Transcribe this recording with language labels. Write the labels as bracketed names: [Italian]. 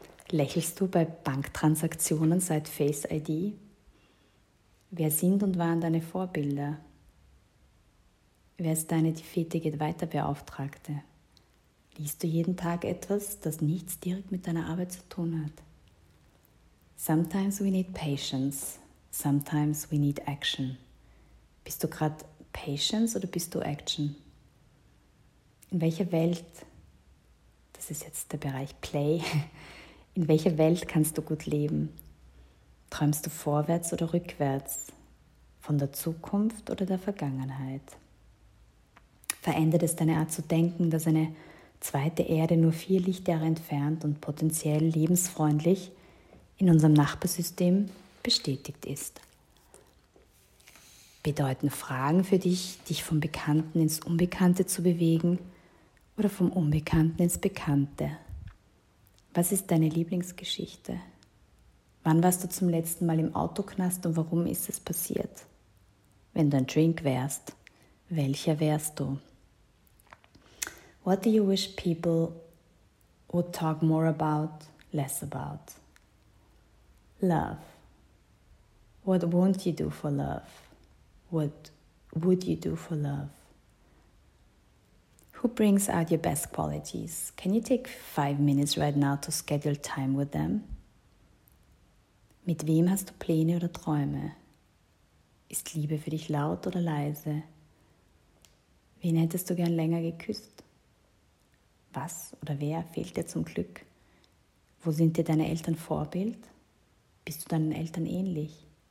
[German] Lächelst du bei Banktransaktionen seit Face ID? Wer sind und waren deine Vorbilder? Wer ist deine Defetige Weiterbeauftragte? Liest du jeden Tag etwas, das nichts direkt mit deiner Arbeit zu tun hat? [English] Sometimes we need patience, sometimes we need action. [German] Bist du gerade patience oder bist du action? In welcher Welt, das ist jetzt der Bereich Play, in welcher Welt kannst du gut leben? Träumst du vorwärts oder rückwärts? Von der Zukunft oder der Vergangenheit? Verändert es deine Art zu denken, dass eine zweite Erde nur 4 Lichtjahre entfernt und potenziell lebensfreundlich in unserem Nachbarsystem bestätigt ist? Bedeuten Fragen für dich, dich vom Bekannten ins Unbekannte zu bewegen oder vom Unbekannten ins Bekannte? Was ist deine Lieblingsgeschichte? Wann warst du zum letzten Mal im Autoknast und warum ist es passiert? Wenn du ein Drink wärst, welcher wärst du? [English] What do you wish people would talk more about, less about? Love. What won't you do for love? What would you do for love? Who brings out your best qualities? Can you take 5 minutes right now to schedule time with them? [German] Mit wem hast du Pläne oder Träume? Ist Liebe für dich laut oder leise? Wen hättest du gern länger geküsst? Was oder wer fehlt dir zum Glück? Wo sind dir deine Eltern Vorbild? Bist du deinen Eltern ähnlich?